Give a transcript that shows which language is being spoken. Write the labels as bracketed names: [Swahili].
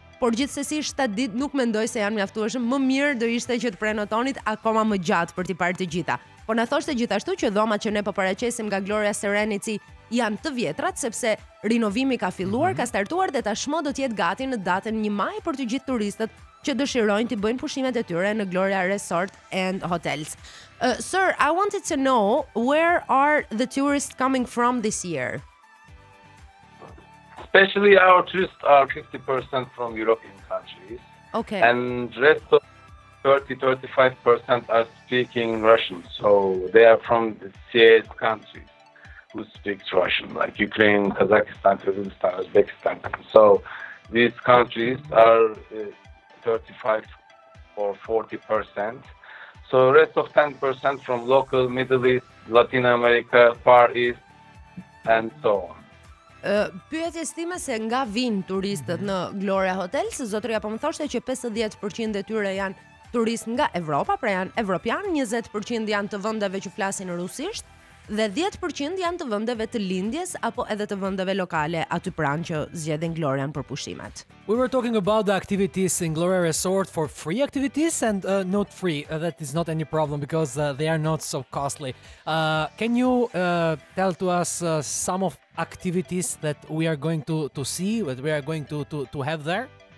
[Albanian] Por gjithsesi 7 ditë nuk mendoj se janë mjaftueshëm, më mirë do ishte që të prenotonit akoma më gjatë për t'i parë të gjitha. Por na thoshte gjithashtu që dhomat që ne po paraqesim nga Gloria Serenity janë të vjetrat sepse rinovimi ka filluar, ka startuar dhe tashmë do të jetë gati në datën 1 maj për të gjithë turistët që dëshirojnë të bëjnë pushimet e tyre në Gloria Resort and Hotels. [English] Sir, I wanted to know where are the tourists coming from this year? Especially our tourists are 50% from European countries. Okay. And rest of 30-35% are speaking Russian. So they are from the CIS countries who speak Russian, like Ukraine, Kazakhstan, Kyrgyzstan, Uzbekistan. So these countries are 35 or 40%. So rest of 10% from local Middle East, Latin America, Far East, and so on. [Albanian] Pyetjes time se nga vinë turistët në Gloria Hotels, zotëria po më thoshte që 50% e tyre janë turistë nga Evropa, pra janë evropian, 20% janë të vendeve që flasin rusisht dhe 10% janë të vendeve të lindjes apo edhe të vendeve lokale aty pranë që zgjedhin Glorian për pushimet. [English] We were talking about the activities in Gloria Resort for free activities and not free. That is not any problem because they are not so costly. Can you tell to us some of activities that we are going to see, that we are going to have there?